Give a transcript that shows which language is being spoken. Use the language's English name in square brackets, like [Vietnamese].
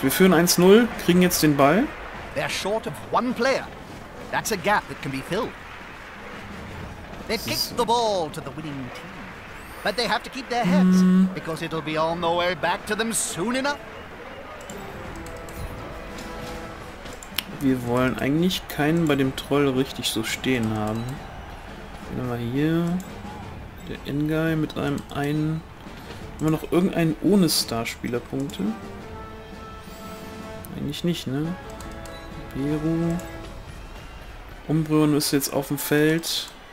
[German] Wir führen 1-0, kriegen jetzt den Ball. [English] They're short of one player. That's a gap that can be filled. They kicked the ball to the winning team. But they have to keep their heads, because it'll be on the way back to them soon enough. [German] Wir wollen eigentlich keinen bei dem Troll richtig so stehen haben. Nehmen wir hier. Der Endguy mit einem immer noch irgendeinen ohne Starspielerpunkte. Eigentlich nicht, ne? Beru. Umbrion ist jetzt auf dem Feld.